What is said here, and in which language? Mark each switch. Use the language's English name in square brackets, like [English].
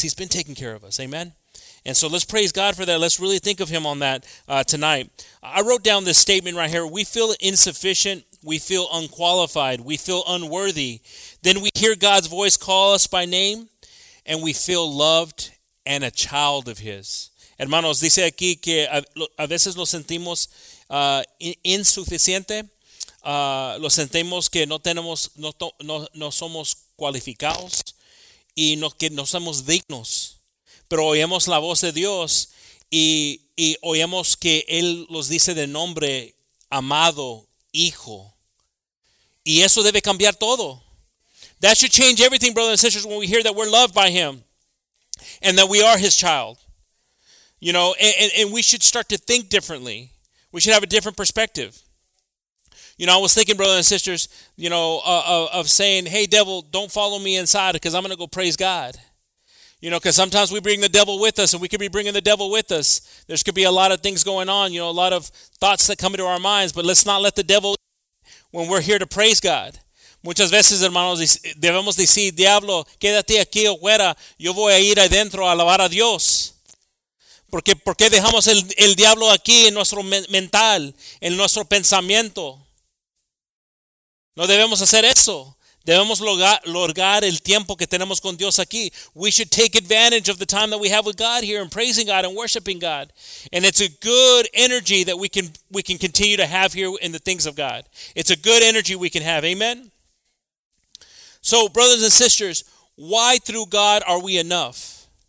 [English] He's been taking care of us. Amen? And so let's praise God for that. Let's really think of him on that tonight. I wrote down this statement right here. We feel insufficient. We feel unqualified. We feel unworthy. Then we hear God's voice call us by name. And we feel loved and a child of his. [Spanish] Hermanos, dice aquí que a veces lo sentimos insuficiente, lo sentimos que no somos cualificados y no somos dignos, pero oímos la voz de Dios y oímos que Él los dice de nombre, amado hijo, y eso debe cambiar todo. [English] That should change everything, brothers and sisters, when we hear that we're loved by Him and that we are His child, you know, and we should start to think differently. We should have a different perspective. You know, I was thinking, brothers and sisters, you know, of saying, hey, devil, don't follow me inside because I'm going to go praise God. You know, because sometimes we bring the devil with us and we could be bringing the devil with us. There could be a lot of things going on, you know, a lot of thoughts that come into our minds, but let's not let the devil when we're here to praise God. [Spanish] Muchas veces, hermanos, debemos decir, diablo, quédate aquí afuera. Yo voy a ir adentro a alabar a Dios. ¿Por qué dejamos el diablo aquí en nuestro mental, en nuestro pensamiento? No debemos hacer eso. Debemos lograr el tiempo que tenemos con Dios aquí. [English] We should take advantage of the time that we have with God here and praising God and worshiping God. And it's a good energy that we can continue to have here in the things of God. It's a good energy we can have. Amen? So, brothers and sisters, why through God are we enough?